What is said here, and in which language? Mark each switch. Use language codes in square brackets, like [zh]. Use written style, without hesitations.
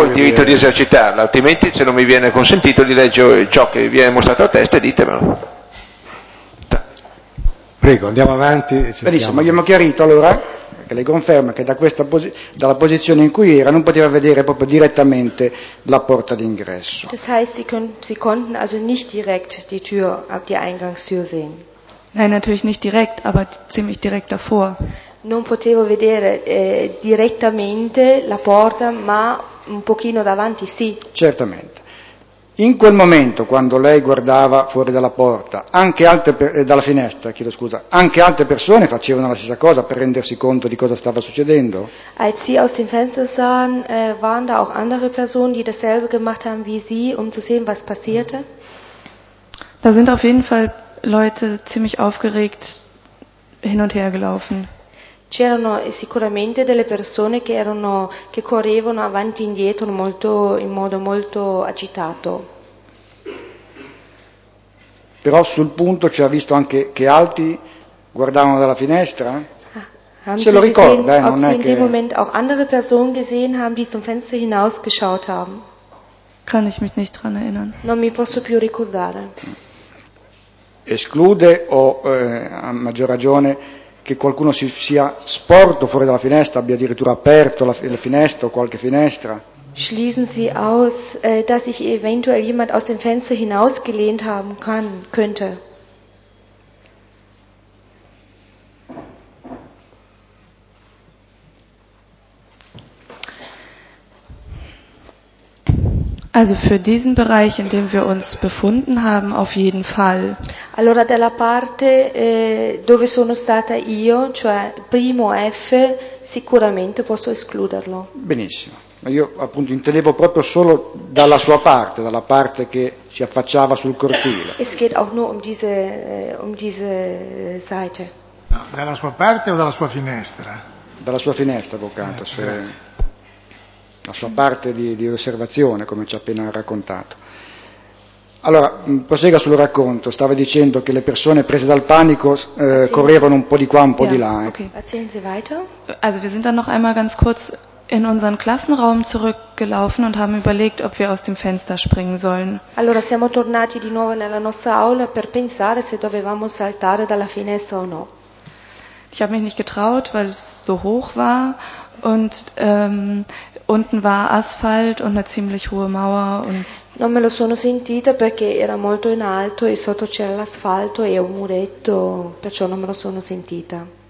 [it] ho il diritto di esercitarla, altrimenti se non mi viene consentito di leggere ciò che viene mostrato a testa, ditemelo. Prego, andiamo avanti. Benissimo, abbiamo chiarito allora. Che lei conferma che dalla posizione in cui era non poteva vedere proprio direttamente la porta d'ingresso. [de] Das heißt, sie konnten also nicht direkt die Tür, die Eingangstür sehen. Nein, natürlich nicht direkt, aber ziemlich direkt davor. [it] Non potevo vedere direttamente la porta, ma un pochino davanti, sì. Certamente. In quel momento, quando lei guardava fuori dalla porta, anche altre persone facevano la stessa cosa per rendersi conto di cosa stava succedendo? [de] Als sie aus dem Fenster sahen, waren da auch andere Personen, die dasselbe gemacht haben wie sie, um zu sehen, was passierte? Da sind auf jeden Fall Leute ziemlich aufgeregt hin und her gelaufen. [it] C'erano sicuramente delle persone che correvano avanti e indietro in modo molto agitato. Però sul punto ci ha visto anche che altri guardavano dalla finestra? [de] Haben Sie [it] ricorda, [de] gesehen, ob Sie in dem Moment auch andere Personen gesehen haben, die zum Fenster hinausgeschaut haben? Kann ich mich nicht dran erinnern. [it] Non mi posso più ricordare. Esclude o a maggior ragione che qualcuno si sia sporto fuori dalla finestra, abbia addirittura aperto la finestra o qualche finestra? [de] Schließen Sie aus, dass sich eventuell jemand aus dem Fenster hinausgelehnt haben kann, könnte? Also für diesen Bereich, in dem wir uns befunden haben, auf jeden Fall. [it] Allora dalla parte dove sono stata io, cioè primo F, sicuramente posso escluderlo. Benissimo. Ma io appunto intendevo proprio solo dalla sua parte, dalla parte che si affacciava sul cortile. [de] Es geht auch nur um diese Seite. [it] No, dalla sua parte o dalla sua finestra? Dalla sua finestra, avvocato. Se... Grazie. La sua parte di osservazione, come ci ha appena raccontato. Allora, prosegua sul racconto. Stava dicendo che le persone prese dal panico correvano un po' di qua, un po' di là. [de] Erzählen Sie weiter. Also wir sind dann noch einmal ganz kurz in unseren Klassenraum zurückgelaufen und haben überlegt, ob wir aus dem Fenster springen sollen. [it] Allora siamo tornati di nuovo nella nostra aula per pensare se dovevamo saltare dalla finestra o no. [de] Ich habe mich nicht getraut, weil es so hoch war und unten war Asphalt und eine ziemlich hohe Mauer und [it] non me lo sono sentita perché era molto in alto e sotto c'era l'asfalto e un muretto, perciò non me lo sono sentita.